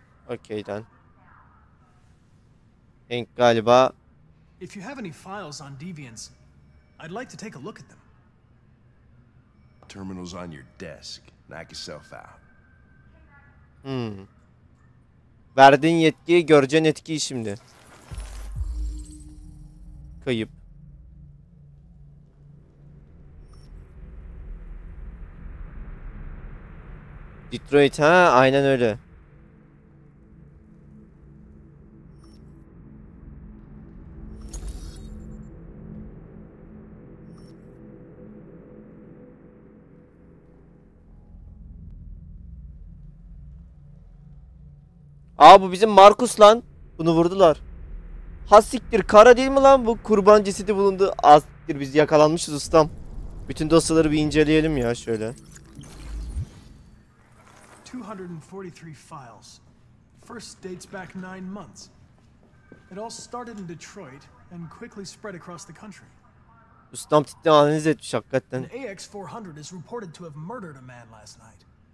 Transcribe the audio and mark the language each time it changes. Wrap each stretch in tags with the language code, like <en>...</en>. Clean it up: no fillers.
<en>Okay then.</en> <tr>Hank galiba.</tr> <en>If you have any files on deviants, I'd like to take a look at them. Terminals on your desk. Knock yourself out. Hmm.</en> <tr>Verdiğin yetkiyi göreceğin etkiyi şimdi. Kayıp. Detroit ha, aynen öyle. Aa, bu bizim Markus lan. Bunu vurdular. Hasiktir, kara değil mi lan bu? Kurban cesedi bulundu. Asiktir, biz yakalanmışız ustam. Bütün dosyaları bir inceleyelim ya şöyle.</tr> <en>243 files. First dates back 9 months. It all started in Detroit and quickly spread across the country.</en> <tr>Ustam titri analiz etmiş hakikaten.</tr> <en>AX 400 is reported to have murdered a man last night.</en>